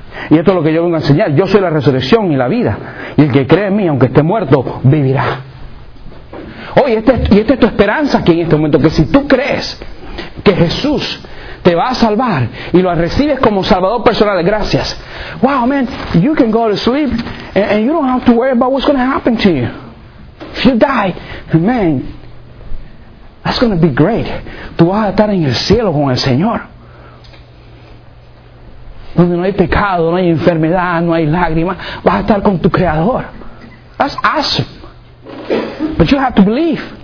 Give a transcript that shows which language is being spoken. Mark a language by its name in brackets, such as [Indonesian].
[Spanish] Y esto es lo que yo vengo a enseñar. Yo soy la resurrección y la vida. Y el que cree en mí, aunque esté muerto, vivirá. Oye, esta es tu esperanza aquí en este momento, que si tú crees que Jesús te va a salvar y lo recibes como salvador personal, gracias. [English] Wow, man, you can go to sleep and you don't have to worry about what's going to happen to you. If you die, man, that's going to be great. [Spanish] Tú vas a estar en el cielo con el Señor. Donde no hay pecado, no hay enfermedad, no hay lágrimas. Vas a estar con tu Creador. [English] That's awesome. But you have to believe.